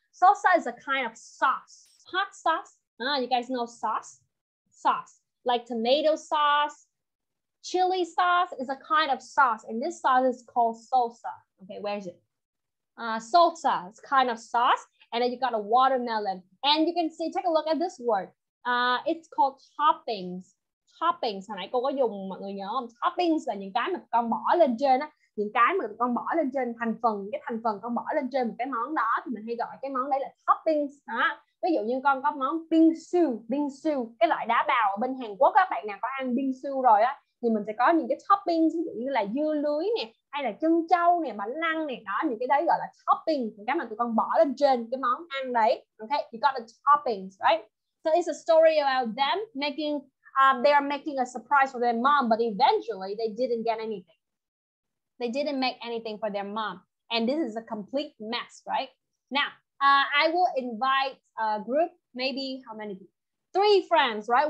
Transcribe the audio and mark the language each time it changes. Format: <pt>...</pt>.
<en>Salsa is a kind of sauce. Hot sauce. You guys know sauce? Sauce. Like tomato sauce. Chili sauce is a kind of sauce, and this sauce is called salsa. Okay, where is it? Salsa is kind of sauce, and then you got a watermelon. And you can see, take a look at this word. It's called toppings.</en> <vi>Toppings, hồi nãy cô có dùng, mọi người nhớ không? Toppings là những cái mà con bỏ lên trên á, những cái mà con bỏ lên trên thành phần con bỏ lên trên một cái món đó thì mình hay gọi cái món đấy là toppings. Hả? Ví dụ như con có món bingsu, bingsu, cái loại đá bào ở bên Hàn Quốc, các bạn nào có ăn bingsu rồi á, thì mình sẽ có những cái toppings ví dụ như là dưa lưới nè, hay là trân châu nè, bánh lăng nè, đó những cái đấy gọi là toppings, những cái mà tụi con bỏ lên trên cái món ăn đấy.</vi> <en>Okay, you got the toppings, right? So it's a story about them making they are making a surprise for their mom, but eventually they didn't get anything. They didn't make anything for their mom, and this is a complete mess, right? Now, I will invite a group, maybe how many people? 3 friends, right?</en>